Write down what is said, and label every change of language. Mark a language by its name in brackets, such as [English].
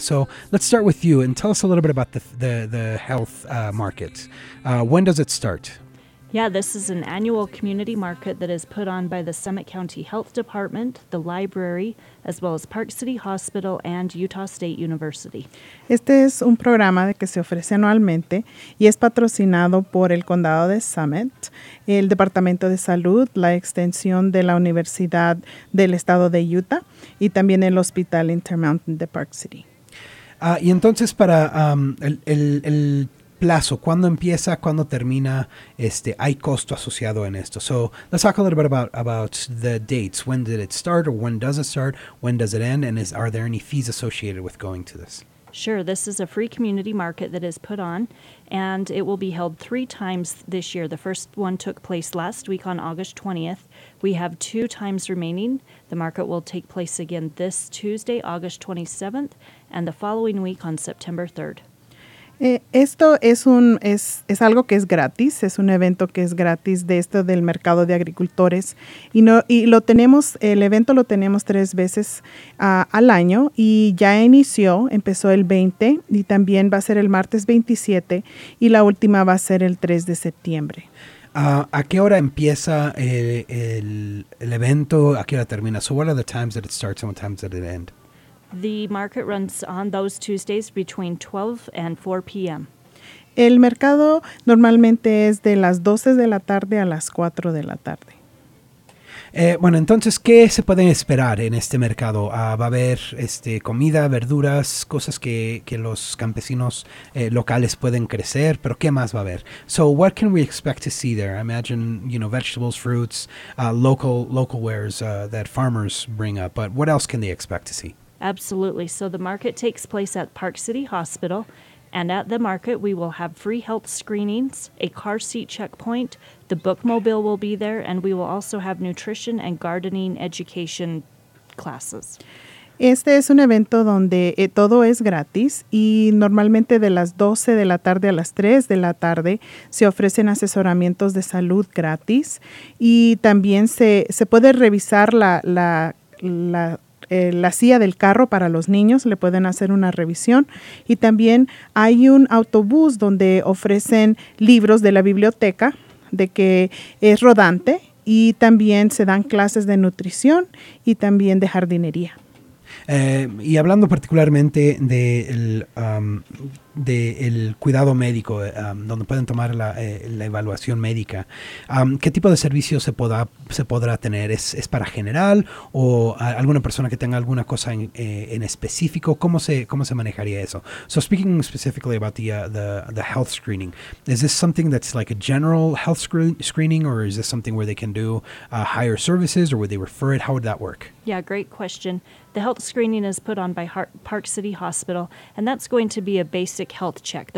[English] So, let's start with you and tell us a little bit about the health market. When does it start? Yeah, this is an annual community market that is put on by the Summit County Health Department, the library, as well as Park City Hospital and Utah State University. [Spanish] Este es un programa que se ofrece anualmente y es patrocinado por el condado de Summit, el Departamento de Salud, la extensión de la Universidad del Estado de Utah y también el Hospital Intermountain de Park City. Y entonces para el plazo, ¿cuándo empieza, cuándo termina? Hay costo asociado en esto. [English] So, let's talk a little bit about the dates. When did it start or when does it start? When does it end? And are there any fees associated with going to this? Sure. This is a free community market that is put on, and it will be held three times this year. The first one took place last week on August 20th. We have two times remaining. The market will take place again this Tuesday, August 27th, and the following week on September 3rd. [Spanish] Esto es algo que es gratis, es un evento que es gratis de esto del mercado de agricultores y el evento lo tenemos tres veces al año y ya empezó el 20 y también va a ser el martes 27 y la última va a ser el 3 de septiembre. ¿A qué hora empieza el evento? ¿A qué hora termina? [English] So what are the times that it starts and what times that it ends? The market runs on those Tuesdays between 12 and 4 p.m. [Spanish] El mercado normalmente es de las 12 de la tarde a las 4 de la tarde. Bueno, entonces, ¿qué se puede esperar en este mercado? ¿Va a haber comida, verduras, cosas que los campesinos locales pueden crecer? ¿Pero qué más va a haber? [English] So, what can we expect to see there? I imagine, you know, vegetables, fruits, local wares that farmers bring up. But what else can they expect to see? Absolutely. So the market takes place at Park City Hospital, and at the market we will have free health screenings, a car seat checkpoint, the bookmobile will be there, and we will also have nutrition and gardening education classes. [Spanish] Este es un evento donde todo es gratis y normalmente de las 12 de la tarde a las 3 de la tarde se ofrecen asesoramientos de salud gratis y también se puede revisar la silla del carro para los niños, le pueden hacer una revisión. Y también hay un autobús donde ofrecen libros de la biblioteca, de que es rodante, y también se dan clases de nutrición y también de jardinería. Y hablando particularmente del cuidado médico, donde pueden tomar la evaluación médica, ¿qué tipo de servicio se podrá tener? ¿Es para general o alguna persona que tenga alguna cosa en específico? ¿Cómo se manejaría eso? [English] So speaking specifically about the health screening, is this something that's like a general health screening or is this something where they can do higher services or would they refer it? How would that work? Yeah, great question. The health screening is put on by Park City Hospital, and that's going to be a basic health check.